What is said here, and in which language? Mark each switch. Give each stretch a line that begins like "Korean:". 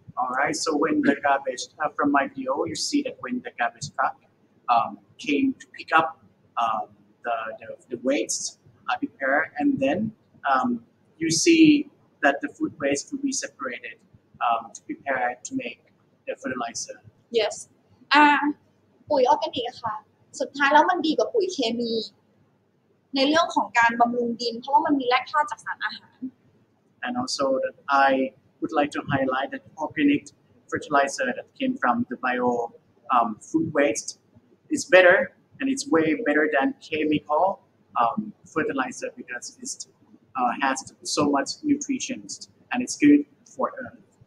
English: Alright, so when the garbage from my video, you see that when the garbage truck came to pick up the waste I prepare, and then you see that the food waste will be separated to prepare to make the fertilizer. Yes.
Thai: ปุ๋ยออร์แกนิกค่ะสุดท้ายแล้วมันดีกว่าปุ๋ยเคมีในเรื่องของการบำรุงดินเพราะว่ามันมีแร่ธาตุจากสารอาหาร
English: And also that I would like to highlight that organic fertilizer that came from the bio food waste is better, and it's way better than chemical fertilizer, because it has so much nutrition and it's good for earth.